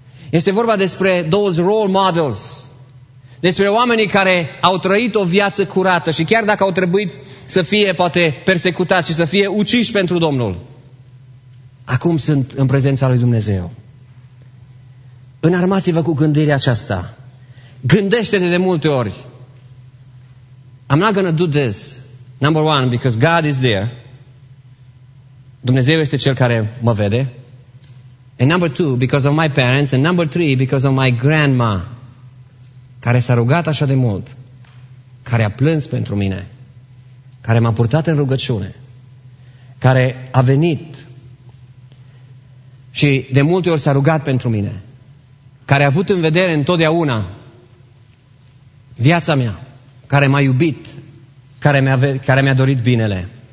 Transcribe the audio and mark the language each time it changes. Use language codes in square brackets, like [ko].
[ro] Este vorba despre [en] those role models, [ro] despre oamenii care au trăit o viață curată și chiar dacă au trebuit să fie poate persecutați și să fie uciși pentru Domnul, acum sunt în prezența lui Dumnezeu. Înarmați-vă cu gândirea aceasta. Gândește-te de multe ori. [en] I'm not gonna do this, number one, because God is there. [ro] Dumnezeu este cel care mă vede. [en] And number two, because of my parents. And number three, because of my grandma, [ro] care s-a rugat așa de mult, care a plâns pentru mine, care m-a purtat în rugăciune. care a venit și de multe ori s-a rugat pentru mine, care a avut în vedere întotdeauna viața mea, care m-a iubit, care mi-a dorit binele.